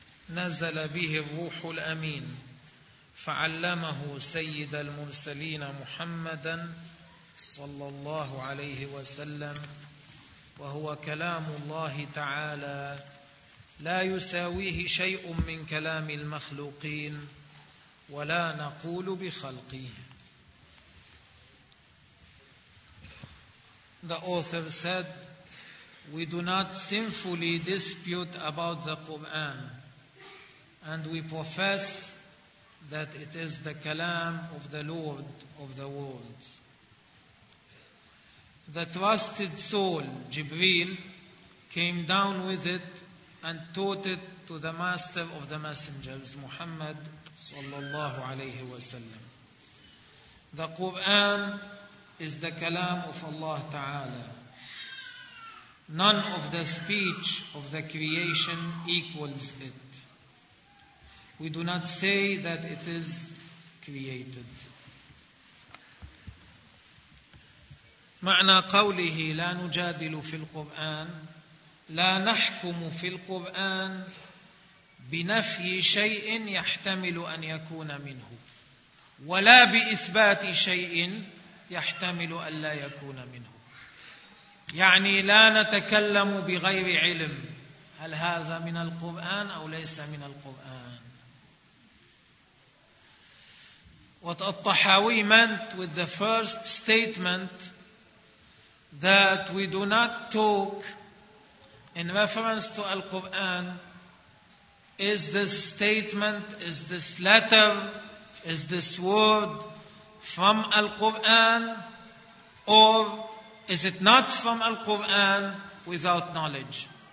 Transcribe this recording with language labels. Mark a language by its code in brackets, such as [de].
[ar] نزل به الروح الأمين فعلمه سيد المرسلين محمدا صلى الله عليه وسلم وهو كلام الله تعالى لا يساويه شيء من كلام المخلوقين ولا نقول بخلقه. [en] The author said, we do not sinfully dispute about the Quran, and we profess that it is the kalam of the Lord of the worlds. The trusted soul, Jibreel, came down with it and taught it to the master of the messengers, Muhammad sallallahu alayhi wa sallam. The Quran is the kalam of Allah Ta'ala. None of the speech of the creation equals it. We do not say that it is created. [ar] معنى قوله لا نجادل في القرآن لا نحكم في القرآن بنفي شيء يحتمل أن يكون منه ولا بإثبات شيء يحتمل أن لا يكون منه. يعني لا نتكلم بغير علم هل هذا من القرآن أو ليس من القرآن. [en] What At-Tahawi meant with the first statement that we do not talk in reference to Al-Quran is this statement, is this letter, is this word from Al-Quran or is it not from Al-Quran without knowledge?